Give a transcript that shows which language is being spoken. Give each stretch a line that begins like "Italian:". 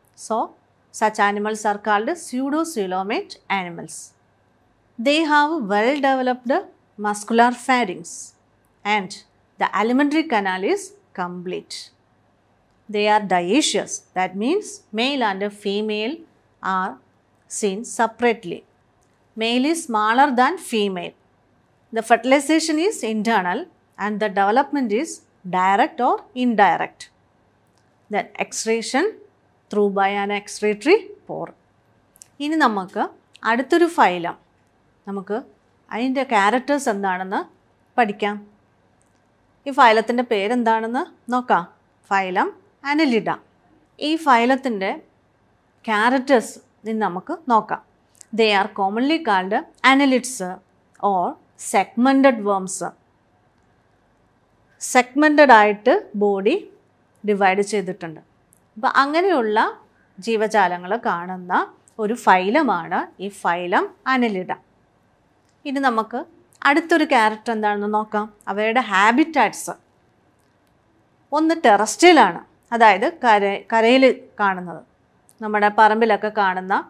English: So such animals are called pseudocoelomate animals. They have well developed muscular pharynx and the alimentary canal is complete. They are dioecious, that means male and female are seen separately. Male is smaller than female. The fertilization is internal and the development is direct or indirect. Then excretion through by an excretory pore.
Malayalam: ഇനി നമുക്ക് അടുത്തൊരു phylum, നമുക്ക് അതിൻ്റെ characters എന്താണെന്ന് പഠിക്കാം. ഈ ഫൈലത്തിൻ്റെ പേരെന്താണെന്ന് നോക്കാം. Phylum annelida. ഈ ഫൈലത്തിൻ്റെ ക്യാരക്ടേഴ്സ് നിന്ന് നമുക്ക് നോക്കാം.
English: They are commonly called annelids or segmented worms.
Malayalam: Segmented ആയിട്ട് ബോഡി ഡിവൈഡ് ചെയ്തിട്ടുണ്ട്. അപ്പോൾ അങ്ങനെയുള്ള ജീവജാലങ്ങൾ കാണുന്ന ഒരു ഫൈലമാണ് ഈ ഫൈലം അനലിഡ. ഇനി നമുക്ക് അടുത്തൊരു ക്യാരക്ടർ എന്താണെന്ന് നോക്കാം. അവയുടെ ഹാബിറ്റാറ്റ്സ്, ഒന്ന് ടെറസ്ട്രിയലാണ്, അതായത് കരയിൽ കാണുന്നത്, നമ്മുടെ പറമ്പിലൊക്കെ കാണുന്ന.